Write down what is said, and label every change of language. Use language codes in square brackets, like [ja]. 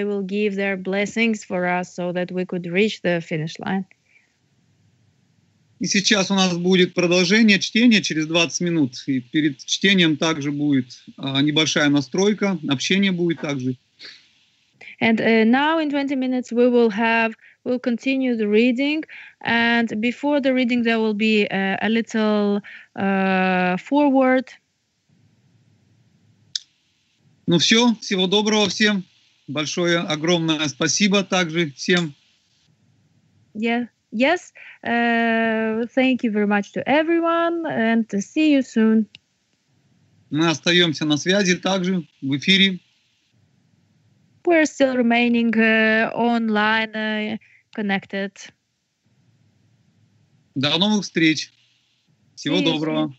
[en] They will give their blessings for us so that we could reach the finish line. [ru] И сейчас у нас будет продолжение чтения через 20 минут. И перед чтением также будет небольшая настройка, общение будет также. [en] And now in 20 minutes we will have, we'll continue the reading. And before the reading there will be a little foreword. [ru] Ну все, всего доброго всем. Большое, огромное спасибо также всем. [en] Yeah. Yes, thank you very much to everyone, and to see you soon. [ru] Мы остаемся на связи также, в эфире. [en] We're still remaining online, connected. [ru] До новых встреч. Всего доброго.